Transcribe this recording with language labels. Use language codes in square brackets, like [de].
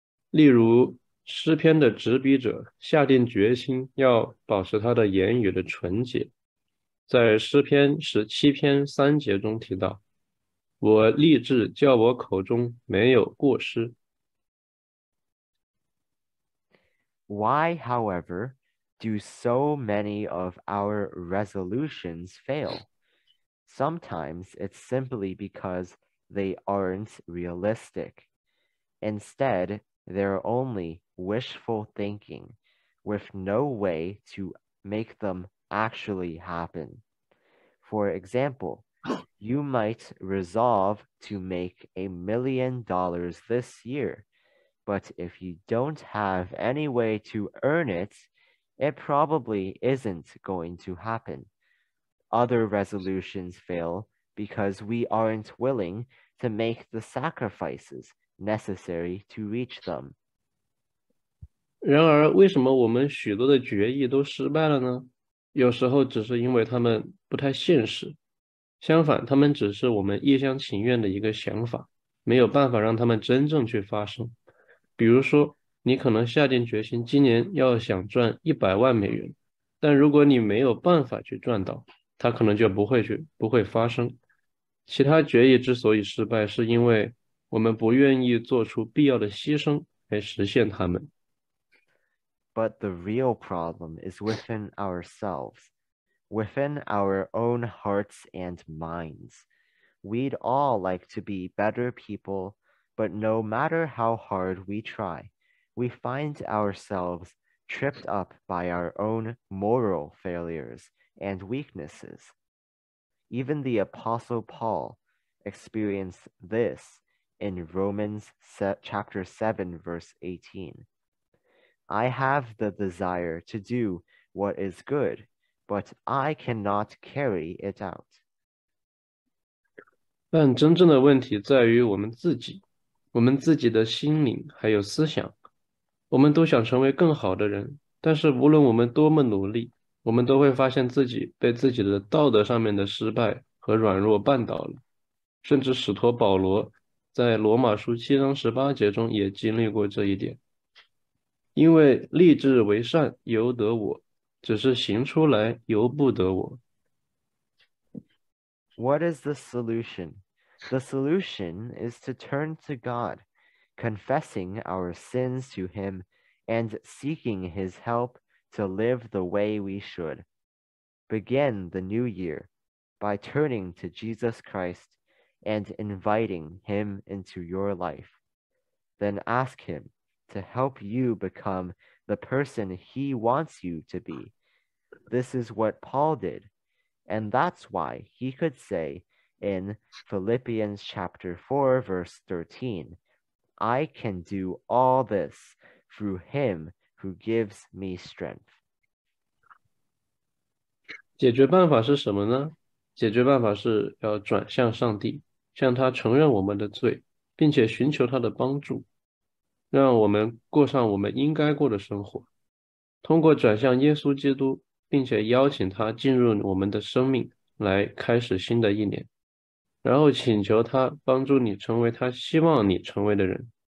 [zh] 例如诗篇的执笔者下定决心要保持他的言语的纯洁，在诗篇17:3中提到，我立志叫我口中没有过失。 [en] Why, however, do so many of our resolutions fail? Sometimes it's simply because they aren't realistic. Instead, they're only wishful thinking, with no way to make them actually happen. For example, you might resolve to make $1,000,000 this year, but if you don't have any way to earn it, it probably isn't going to happen. Other resolutions fail because we aren't willing to make the sacrifices necessary to reach them. [zh] 然而，为什么我们许多的决议都失败了呢？有时候只是因为他们不太现实。相反，他们只是我们一厢情愿的一个想法，没有办法让他们真正去发生。比如说，你可能下定决心今年要想赚$1,000,000，但如果你没有办法去赚到，它可能就不会发生。其他决议之所以失败，是因为我们不愿意做出必要的牺牲来实现它们。 [en] But the real problem is within ourselves, within our own hearts and minds. We'd all like to be better people. But no matter how hard we try, we find ourselves tripped up by our own moral failures and weaknesses. Even the Apostle Paul experienced this in Romans chapter 7, verse 18. I have the desire to do what is good, but I cannot carry it out. [zh] 但真正的问题在于我们自己，我们自己的心灵还有思想。我们都想成为更好的人，但是无论我们多么努力，我们都会发现自己被自己的道德上面的失败和软弱绊倒了。甚至使徒保罗在罗马书七章十八节中也经历过这一点。因为立志为善由得我，只是行出来由不得我。 [en] What is the solution? The solution is to turn to God, confessing our sins to Him and seeking His help to live the way we should. Begin the new year by turning to Jesus Christ and inviting Him into your life. Then ask Him to help you become the person He wants you to be. This is what Paul did, and that's why he could say in Philippians chapter 4, verse 13, I can do all this through Him who gives me strength. [zh] 解决办法是什么呢？解决办法是要转向上帝，向他承认我们的罪，并且寻求他的帮助，让我们过上我们应该过的生活。通过转向耶稣基督，并且邀请他进入我们的生命，来开始新的一年，然后请求他帮助你成为他希望你成为的人。